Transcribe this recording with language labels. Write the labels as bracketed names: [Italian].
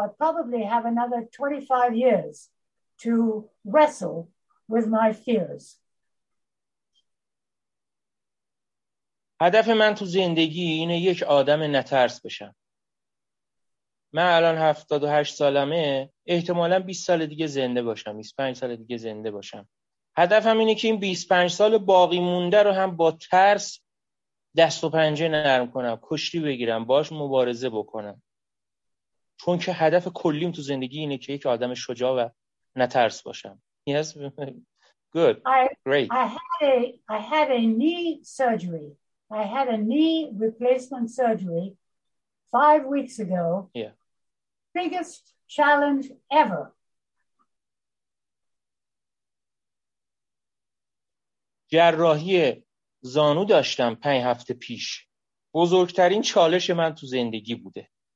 [English] I probably have another 25 years to wrestle with my fears. [Persian] هدف من تو زندگی اینه یک آدم نترس بشم. من الان 78 سالمه، احتمالاً 20 سال دیگه زنده باشم، 25 سال دیگه زنده باشم. هدفم اینه که این 25 سال باقی مونده رو هم با ترس دست و پنجه نرم کنم، کشتی بگیرم، باش مبارزه بکنم. چون که هدف کلیم تو زندگی اینه که یک آدم شجاع و نترس باشم. [English] Yes, good, great. I had a knee surgery. I had a knee replacement surgery 5 weeks ago. Yeah. Biggest challenge ever. [Persian] جراحی زانو داشتم 5 هفته پیش. بزرگترین چالش من تو زندگی بوده.